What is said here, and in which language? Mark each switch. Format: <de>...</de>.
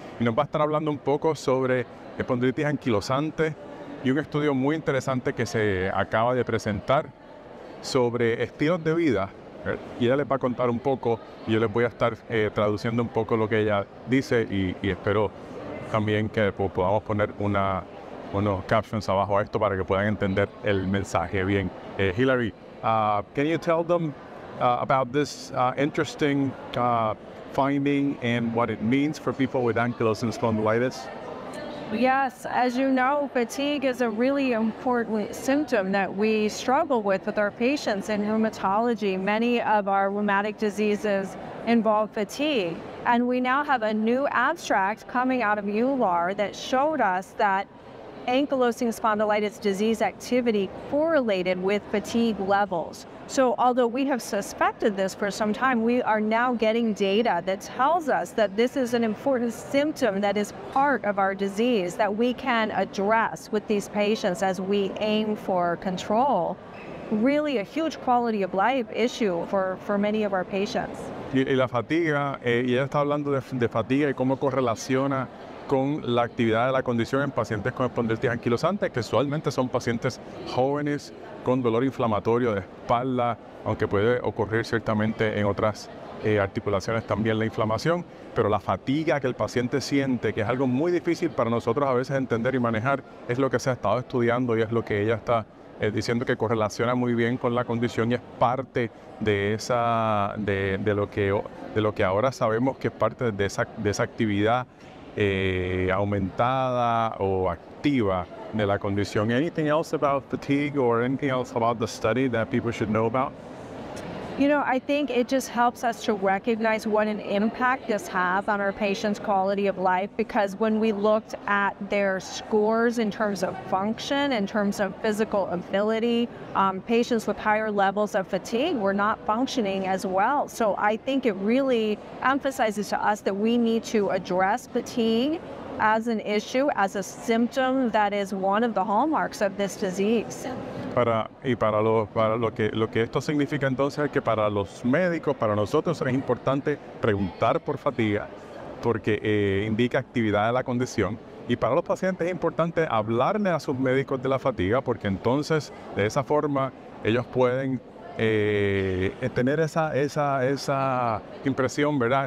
<es>Y nos va a estar hablando un poco sobre espondilitis anquilosante y un estudio muy interesante que se acaba de presentar sobre estilos de vida. Y ella les va a contar un poco y yo les voy a estar traduciendo un poco lo que ella dice y espero también que podamos poner unos captions abajo a esto para que puedan entender el mensaje bien.</es> <en>Hillary, can you tell them about this interesting finding and what it means for people with ankylosing spondylitis? Yes, as you know, fatigue is a really important symptom that we struggle with our patients in rheumatology. Many of our rheumatic diseases involve fatigue. And we now have a new abstract coming out of EULAR that showed us that ankylosing spondylitis disease activity correlated with fatigue levels. So although we have suspected this for some time, we are now getting data that tells us that this is an important symptom that is part of our disease that we can address with these patients as we aim for control. Really a huge quality of life issue for many of our patients.</en> <es>Y la fatiga, y ella está hablando de fatiga y cómo correlaciona con la actividad de la condición en pacientes con espondilitis anquilosante, que usualmente son pacientes jóvenes con dolor inflamatorio de espalda, aunque puede ocurrir ciertamente en otras articulaciones también la inflamación, pero la fatiga que el paciente siente, que es algo muy difícil para nosotros a veces entender y manejar, es lo que se ha estado estudiando y es lo que ella está diciendo que correlaciona muy bien con la condición y es parte de esa de lo que ahora sabemos que es parte de esa actividad aumentada o activa de la condición.</es> <en>Anything else about fatigue or anything else about the study that people should know about? You know, I think it just helps us to recognize what an impact this has on our patients' quality of life, because when we looked at their scores in terms of function, in terms of physical ability, patients with higher levels of fatigue were not functioning as well. So I think it really emphasizes to us that we need to address fatigue as an issue, as a symptom that is one of the hallmarks of this disease.</en> <es>Para lo que esto significa entonces es que para los médicos, para nosotros es importante preguntar por fatiga, porque indica actividad de la condición. Y para los pacientes es importante hablarle a sus médicos de la fatiga, porque entonces de esa forma ellos pueden tener esa impresión, ¿verdad?</es>